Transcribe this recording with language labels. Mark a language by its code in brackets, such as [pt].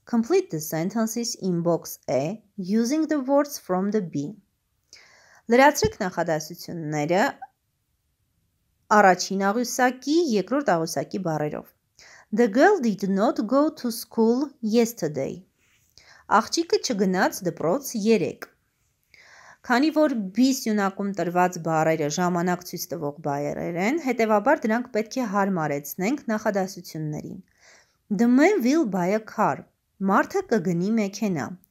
[en] Complete the sentences in box A using the words from the B. [hy] Լրացրեք նախադասությունները առաջին աղյուսակի, երկրորդ աղյուսակի բառերով. [en] The girl did not go to school yesterday. [hy] Աղջիկը չգնաց դպրոց երեկ. Քանի որ B-ի սյունակում տրված բառերը ժամանակ ցույց տվող բառեր են, հետևաբար դրանք պետք է հարմարեցնենք նախադասություններին. [en] The man will buy a car. [hy] Մարդը կգնի մեքենա.